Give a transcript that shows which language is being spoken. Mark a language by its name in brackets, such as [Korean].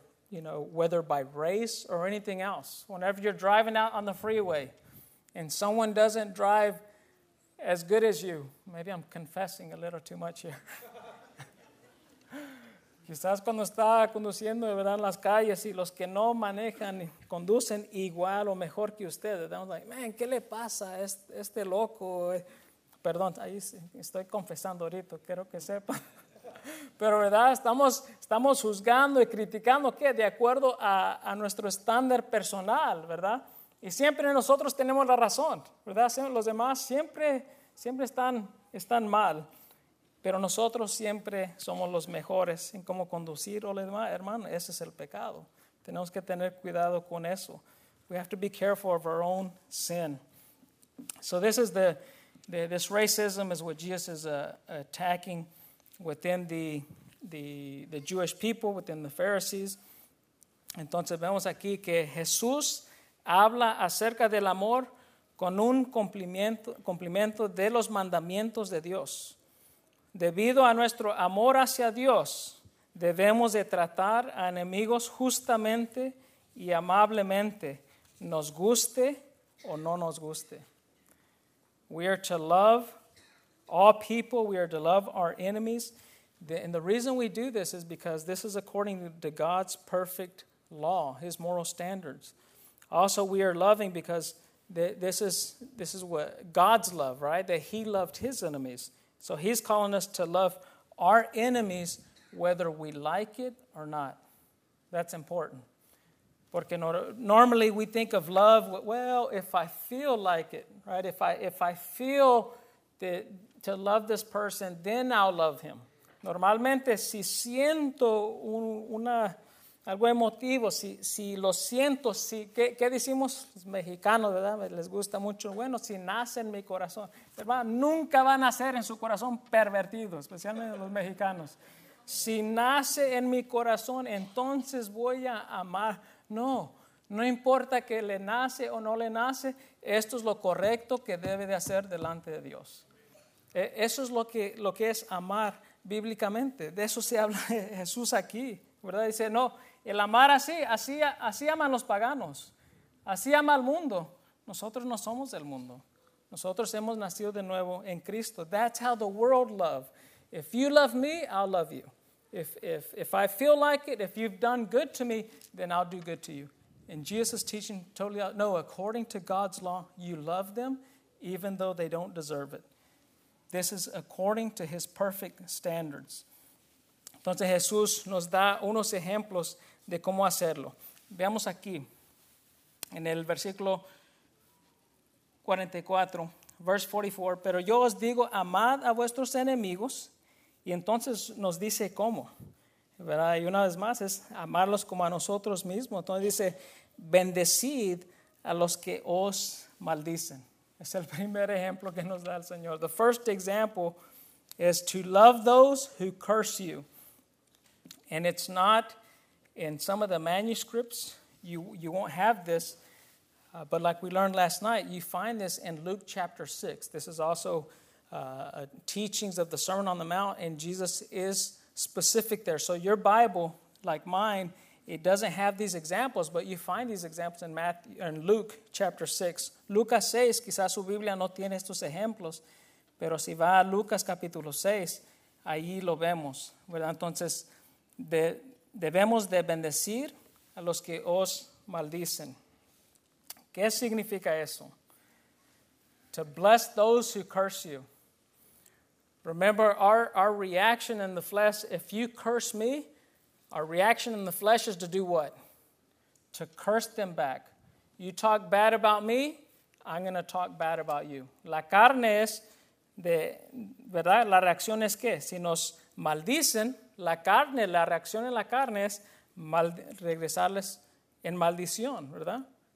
[English] Whether by race or anything else. Whenever you're driving out on the freeway and someone doesn't drive as good as you, maybe I'm confessing a little too much here. [Spanish] Quizás cuando está conduciendo, de verdad, en las calles y los que no manejan conducen igual o mejor que ustedes. [English] I'm like, man, [Spanish] ¿qué le pasa a este loco? Perdón, ahí estoy confesando ahorita, quiero que sepa. Pero, ¿verdad? Estamos juzgando y criticando, ¿qué? De acuerdo a nuestro estándar personal, ¿verdad? Y siempre nosotros tenemos la razón, ¿verdad? Los demás siempre están mal. Pero nosotros siempre somos los mejores en cómo conducir o los demás, hermano. Ese es el pecado. Tenemos que tener cuidado con eso. [English] We have to be careful of our own sin. So this is this racism is what Jesus is attacking within the Jewish people, within the Pharisees. [Spanish] Entonces vemos aquí que Jesús habla acerca del amor con un cumplimiento de los mandamientos de Dios. Debido a nuestro amor hacia Dios, debemos de tratar a enemigos justamente y amablemente, nos guste o no nos guste. [English] We are to love all people, we are to love our enemies. And the reason we do this is because this is according to God's perfect law, His moral standards. Also, we are loving because this is what God's love, right? That He loved His enemies. So He's calling us to love our enemies whether we like it or not. That's important. [Spanish] Porque [English] normally we think of love, well, if I feel like it, right? If I feel to love this person, then I'll love him. [Spanish] Normalmente si siento algo emotivo, si lo siento, si ¿qué decimos? Los mexicanos, ¿verdad? Les gusta mucho. Bueno, si nace en mi corazón. Hermano, nunca van a ser en su corazón pervertido, especialmente los mexicanos. Si nace en mi corazón, entonces voy a amar. No importa que le nace o no le nace, esto es lo correcto que debe de hacer delante de Dios. Eso es lo que es amar bíblicamente. De eso se habla Jesús aquí, ¿verdad? Dice, no, el amar así aman los paganos, así ama el mundo. Nosotros no somos del mundo. Nosotros hemos nacido de nuevo en Cristo. [English] That's how the world love. If you love me, I'll love you. If I feel like it, if you've done good to me, then I'll do good to you. And Jesus is teaching totally, no, according to God's law, you love them even though they don't deserve it. This is according to His perfect standards. [Spanish] Entonces Jesús nos da unos ejemplos de cómo hacerlo. Veamos aquí en el versículo 44, [English] verse 44. [Spanish] Pero yo os digo, amad a vuestros enemigos. Y entonces nos dice cómo, ¿verdad? Y una vez más es amarlos como a nosotros mismos. Entonces dice, bendecid a los que os maldicen. Es el primer ejemplo que nos da el Señor. [English] The first example is to love those who curse you. And it's not in some of the manuscripts. You won't have this. But like we learned last night, you find this in Luke chapter 6. This is also teachings of the Sermon on the Mount, and Jesus is specific there. So your Bible, like mine, it doesn't have these examples, but you find these examples in Matthew, in Luke chapter 6. [Spanish] Lucas 6, quizás su Biblia no tiene estos ejemplos, pero si va a Lucas capítulo 6, ahí lo vemos, ¿verdad? Entonces, debemos de bendecir a los que os maldicen. ¿Qué significa eso? [English] To bless those who curse you. Remember, our reaction in the flesh, if you curse me, our reaction in the flesh is to do what? To curse them back. You talk bad about me, I'm going to talk bad about you. [Spanish] La carne es, de, ¿verdad? La reacción es que si nos maldicen, la carne, la reacción en la carne es regresarles en maldición, ¿verdad?